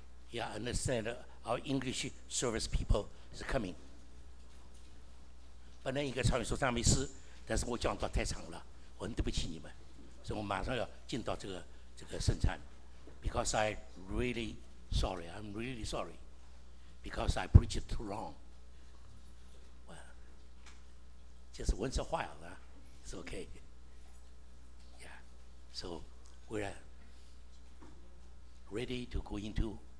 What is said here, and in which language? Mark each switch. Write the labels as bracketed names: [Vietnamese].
[English] Yeah, I understand our English service people is coming. [Chinese] 本来应该唱一首赞美诗，但是我讲到太长了，我很对不起你们，所以我马上要进到这个圣餐。 [English] Because I really sorry, I'm really sorry, because I preached too long. Well, just once a while, it's okay. Yeah, so we're ready to go into.